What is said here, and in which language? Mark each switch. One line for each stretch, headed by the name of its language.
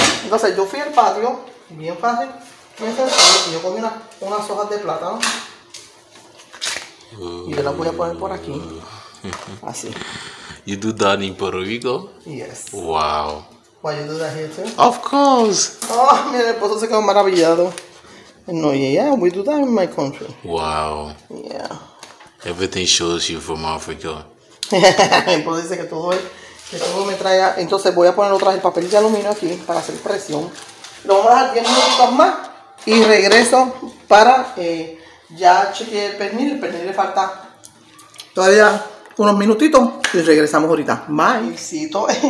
Spanish: Entonces yo fui al patio, bien fácil, bien sencillo, y yo cogí unas hojas de plátano y yo las voy a poner por aquí, así.
English: You do that in Puerto Rico? Yes. Wow. Why you do that here too? Of course.
Spanish: Oh, mi esposo se quedó maravillado.
English: No, yeah, we do that in my country. Wow. Yeah. Everything shows you from Africa.
Spanish: Entonces dice que todo es, que todo me traiga. Entonces voy a poner otra vez el papel de aluminio aquí para hacer presión. Lo vamos a dejar 10 minutos más y regreso para ya chequear el pernil. El pernil le falta todavía unos minutitos y regresamos ahorita. Maicito.